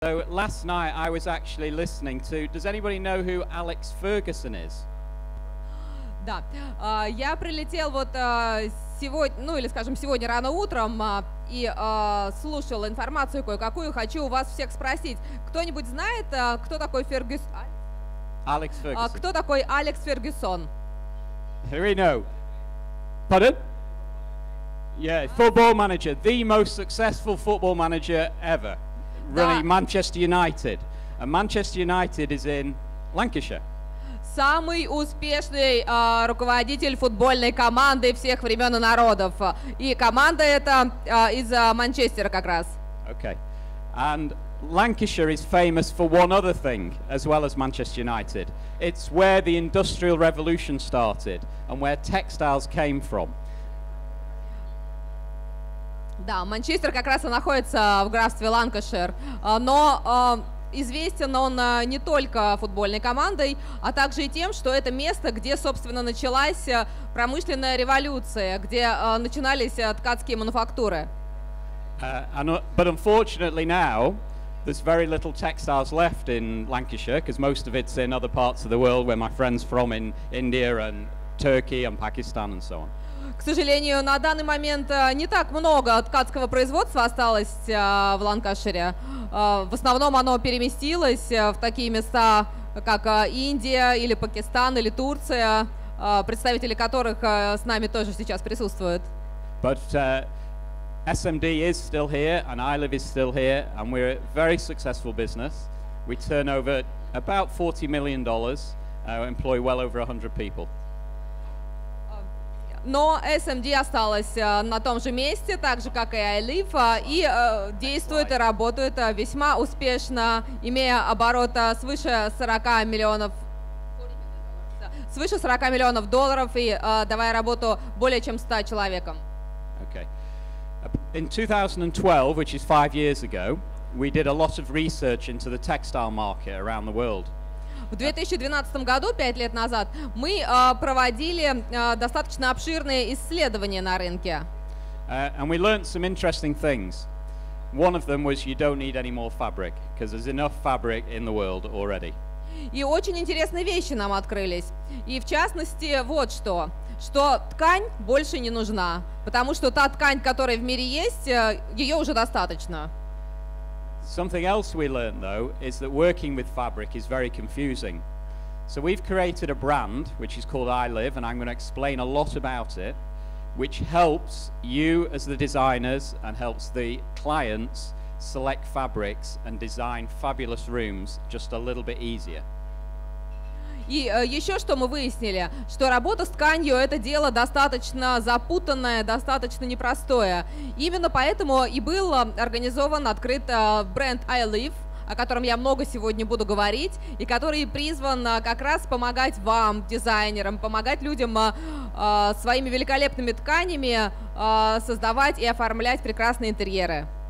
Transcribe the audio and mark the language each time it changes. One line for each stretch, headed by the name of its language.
English: So last night I was actually listening to. Does anybody know who Alex Ferguson is?
Russian: Да, я прилетел вот сегодня, ну или скажем сегодня рано утром и слушал информацию кое-какую. Хочу у вас всех спросить, кто-нибудь знает, кто такой Алекс Фергюсон? Кто такой Алекс Фергюсон?
English: Who we know? Pardon? Yeah, football manager, the most successful football manager ever. Really,
Russian: да.
English: Manchester United. And Manchester United is in Lancashire.
Russian: Самый успешный руководитель футбольной команды всех времен и народов. И команда эта из Манчестера как раз.
English: Okay. And Lancashire is famous for one other thing, as well as Manchester United. It's where the Industrial Revolution started and where textiles came from.
Russian: Да, Манчестер как раз и находится в графстве Ланкашир, но известен он не только футбольной командой, а также и тем, что это место, где, собственно, началась промышленная революция, где начинались ткацкие мануфактуры.
English: But unfortunately now there's very little textiles left in Lancashire, because most of it's in other parts of the world where my friends from in India and Turkey and Pakistan and so on.
Russian: К сожалению, на данный момент не так много ткацкого производства осталось в Ланкашире. В основном оно переместилось в такие места, как Индия или Пакистан или Турция, представители которых с нами тоже сейчас присутствуют.
English: But SMD is still here and iLive is still here and we're a very successful business. We turn over about $40 million, employ well over 100 people.
Russian: Но SMD осталась на том же месте, так же, как и iLive, и действует и работает весьма успешно, имея оборота свыше 40 миллионов, долларов и давая работу более чем 100 человекам.
English: Okay. In 2012, which is 5 years ago, we did a lot of research into the textile market around the world.
Russian: В 2012 году, 5 лет назад, мы проводили достаточно обширные исследования на рынке.
English: And we learned some interesting things. One of them was you don't need any more fabric, because there's enough fabric in the world already.
Russian: И очень интересные вещи нам открылись. И в частности, вот что, что ткань больше не нужна, потому что та ткань, которая в мире есть, ее уже достаточно.
English: Something else we learned, though, is that working with fabric is very confusing. So we've created a brand, which is called iLive, and I'm going to explain a lot about it, which helps you as the designers and helps the clients select fabrics and design fabulous rooms just a little bit easier.
Russian: И еще что мы выяснили, что работа с тканью – это дело достаточно запутанное, достаточно непростое. Именно поэтому и был организован, открыт бренд iLive, о котором я много сегодня буду говорить, и который призван как раз помогать вам, дизайнерам, помогать людям своими великолепными тканями создавать и оформлять прекрасные интерьеры.